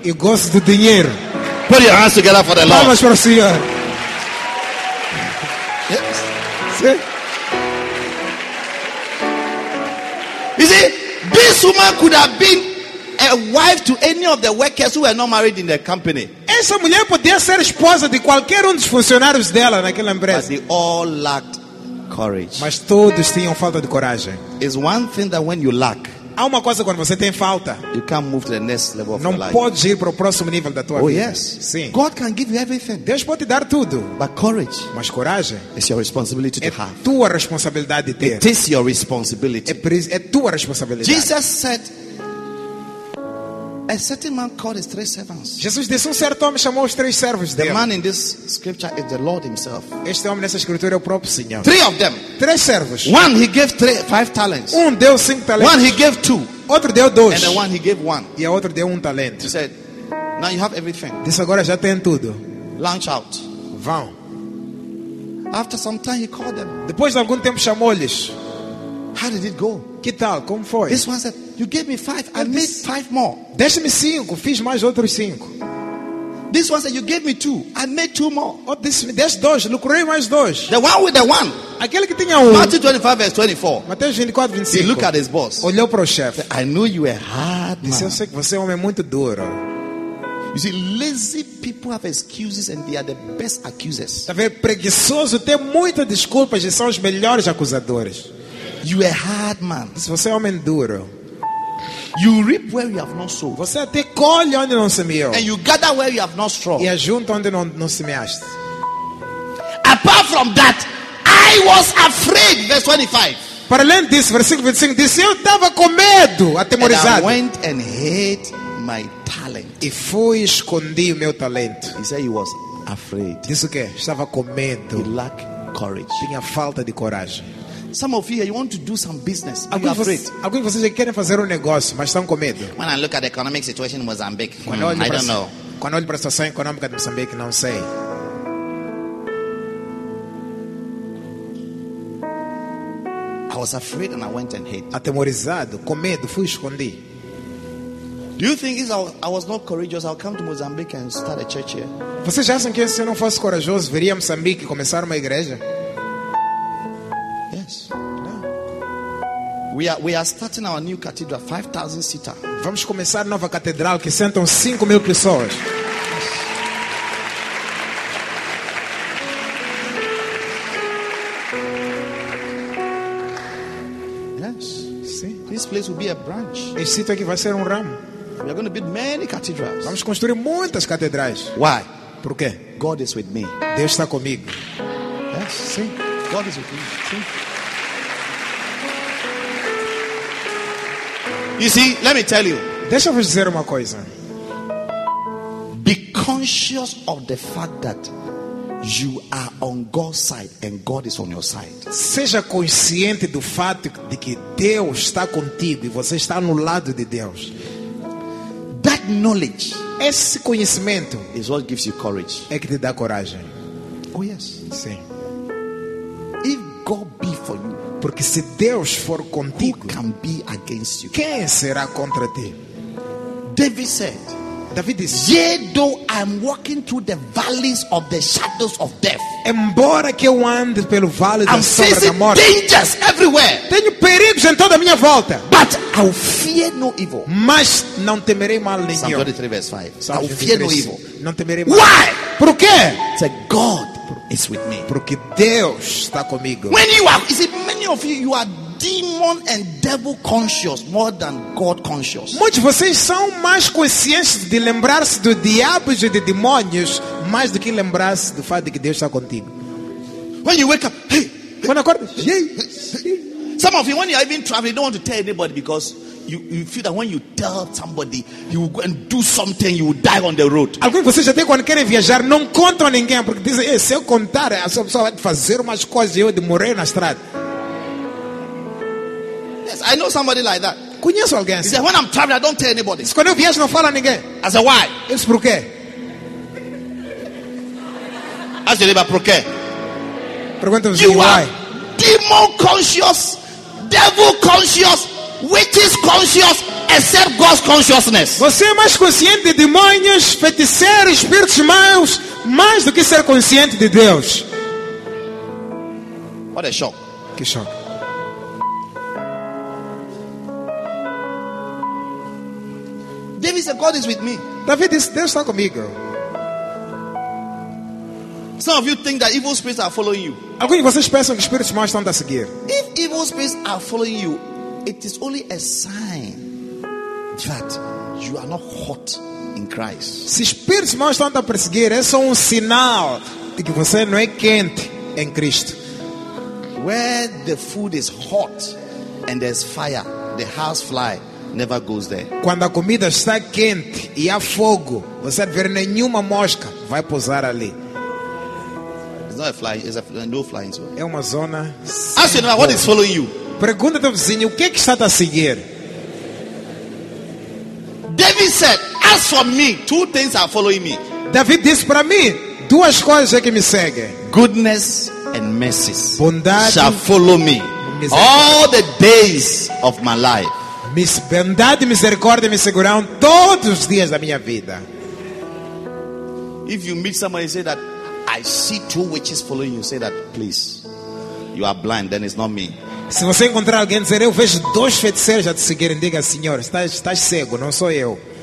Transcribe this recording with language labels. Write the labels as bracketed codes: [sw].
[pt] E gosto do dinheiro. [en] Put your hands together for the Lord. [pt] Vamos para o Senhor. [en] Yes. [pt] Sim. [en] You see, this woman could have been a wife to any of the workers who were not married in the company. [pt] Essa mulher podia ser esposa de qualquer dos funcionários dela naquela empresa. [en] But they all lacked courage. [pt] Mas todos tinham falta de coragem. [en] It's one thing that when you lack, [pt] há uma coisa quando você tem falta, [en] you can't move to the next level of [pt] não [en] life. [pt] Pode ir para o próximo nível da tua oh, vida. [en] Oh yes. [pt] Sim. [en] God can give you everything. [pt] Deus pode te dar tudo. [en] But courage. [pt] Mas coragem. [en] It's your responsibility to [pt] é [en] have. [pt] É tua responsabilidade ter. [en] It is your responsibility. [pt] É tua responsabilidade. [en] Jesus said, a certain man called his three servants. [pt] Jesus disse um certo homem chamou os três servos dele. [en] The man in this scripture is the Lord himself. [pt] Este homem nessa escritura é o próprio Senhor. [en] Three of them. [pt] Três servos. [en] One he gave five talents. [pt] Um deu cinco talentos. [en] One he gave two. [pt] Outro deu dois. [en] And the one he gave one. [pt] E a outro deu um talento. [en] He said, now you have everything. [pt] Disse agora já tem tudo. [en] Launch out. [pt] Vão. [en] After some time, he called them. [pt] Depois de algum tempo, chamou-lhes. [en] How did it go? [pt] Que tal? Como foi? [en] This one said, you gave me five, I made five more. [pt] Deixe-me cinco, fiz mais outros cinco. [en] This one said, you gave me two, I made two more. [pt] Oh, this, deixe dois, lucrei mais dois. [en] The one with the one. [pt] Aquele que tinha [en] Matthew 25, verse 24. [pt] Mateus 24, 25. [en] He looked at his boss. [pt] Olhou para o chefe. [en] I knew you were hard, man. [pt] Disse, eu sei que você é um homem muito duro. [en] You see, lazy people have excuses and they are the best accusers. [pt] Tá vendo? Preguiçoso tem muitas desculpas e são os melhores acusadores. [en] You are hard man. [pt] Você é homem duro. [en] You reap where you have not sown. [pt] Você até colhe onde não semeou. [en] And you gather where you have not strong. [pt] E ajunta onde não semeaste. [en] Apart from that, I was afraid. Verse 25. [pt] Para além disso, versículo 25 diz: eu estava com medo, atemorizado. [en] I went and hid my talent. [pt] E fui escondi o meu talento. [en] He said he was afraid. [pt] Disse o quê? Estava com medo. [en] He lacked courage. [pt] Tinha falta de coragem. [en] Some of you, you want to do some business. [pt] Alguns de vocês querem fazer negócio, mas estão com medo. [en] When I look at the economic situation in Mozambique, I don't know. [pt] Quando olho para a situação econômica de Moçambique, não sei. [en] I was afraid and I went and hid. [pt] Atemorizado, com medo, fui escondi. [en] Do you think if I was not courageous, I'll come to Mozambique and start a church here? [pt] Vocês acham que se eu não fosse corajoso, viria a Moçambique e começar uma igreja? [en] We are starting our new cathedral, 5,000 seater. [pt] Vamos começar nova catedral que sentam 5,000 pessoas. [en] Yes. [pt] Sim. [en] This place will be a branch. [pt] Esse sítio aqui vai ser ramo. [en] We are going to build many cathedrals. [pt] Vamos construir muitas catedrais. [en] Why? [pt] Por quê? [en] God is with me. [pt] Deus está comigo. [en] Yes. [pt] Sim. [en] God is with me. Sim. You see, let me tell you. [pt] Deixa eu vos dizer uma coisa. [en] Be conscious of the fact that you are on God's side and God is on your side. [pt] Seja consciente do fato de que Deus está contigo e você está no lado de Deus. [en] That knowledge, [pt] esse conhecimento, [en] is what gives you courage. [pt] É que te dá coragem. [en] Oh yes. [pt] Sim. [en] If God be for you. [pt] Porque se Deus for contigo, [en] who can be against you? [pt] Quem será contra ti? [en] David said. [pt] David disse, [en] yea, though I'm walking through the valleys of the shadows of death. [pt] Embora que eu ande pelo vale da sombra da morte. [en] I'm facing dangers everywhere. [pt] Tenho perigos em toda a minha volta. [en] But I will fear no evil. [pt] Mas não temerei mal nenhum. [en] Psalm 23 verse 5. Psalm 23, I will fear no evil. [pt] Não temerei mal. [en] Why? [pt] Por quê? [en] It's a God. It's with me. [pt] Porque Deus está comigo. [en] When you are, you see, many of you, you are demon and devil conscious more than God conscious. [pt] Muitos de vocês são mais conscientes de lembrar-se do diabo e de demônios mais do que lembrar-se do fato de que Deus está contigo. [en] When you wake up, hey, [pt] quando acorda, hey. [en] Some of you, when you are even traveling, don't want to tell anybody because you feel that when you tell somebody, you will go and do something, you will die on the road. [pt] Alguns de vocês até quando querem viajar não contam a ninguém porque dizem, hey, se eu contar, a pessoa vai fazer umas coisas e eu de morrer na estrada. [en] Yes, I know somebody like that. [pt] Conheço alguém assim. [en] He said, when I'm traveling, I don't tell anybody. [pt] Quando eu viajo não falo a ninguém. [en] I said, why? [pt] Isso por quê? [en] Ask your neighbor, [pt] por quê? Pergunta-me, [en] why? You are demon conscious, devil conscious, which is conscious except God's consciousness. [pt] Você é mais consciente de demônios, feiticeiros, espíritos maus, mais do que ser consciente de Deus. [en] What a shock. [pt] Que choque. [en] David said, God is with me. [pt] David disse, Deus está comigo. [en] Some of you think that evil spirits are following you. [pt] Alguns de vocês pensam que espíritos maus estão a seguir. [en] If evil spirits are following you, it is only a sign that you are not hot in Christ. [pt] Se espíritos maus estão a perseguir, é só sinal de que você não é quente em Cristo. [en] Where the food is hot and there's fire, the house fly never goes there. [pt] Quando a comida está quente e há fogo, você não vê nenhuma mosca vai pousar ali. [en] It's not a fly, it's a no flying zone. [pt] É uma zona. [en] Ask you now, what is following you? [pt] Pergunta teu vizinho, o que é que está a seguir? [en] David said, as for me, two things are following me. [pt] David disse para mim, duas coisas é que me seguem. [en] Goodness and mercies shall follow me all the days of my life. [pt] Bondade e misericórdia me seguirão todos os dias da minha vida. [en] If you meet somebody and say that I see two witches following you, say that please, you are blind, then it's not me. [pt] Se você encontrar alguém dizer eu vejo dois feiticeiros a te seguirem, diga Senhor, estás cego, não sou eu.